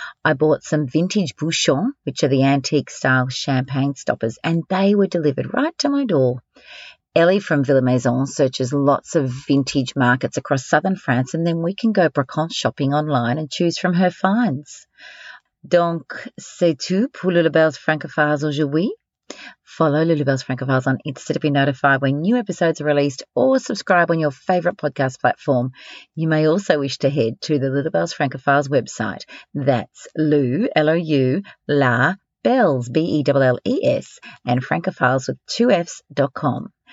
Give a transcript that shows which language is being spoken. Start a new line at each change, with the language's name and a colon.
English: I bought some vintage bouchons, which are the antique-style champagne stoppers, and they were delivered right to my door. Ellie from Villa Maison searches lots of vintage markets across southern France, and then we can go brocante shopping online and choose from her finds.
French: Donc, c'est tout pour le Lebel's Francophiles aujourd'hui.
English: Follow Lulubelle's Francophiles on Insta to be notified when new episodes are released or subscribe on your favourite podcast platform. You may also wish to head to the Lulubelle's Francophiles website. That's Lou, L-O-U, La, Bells, B-E-L-L-E-S, and Francophiles with two Fs .com.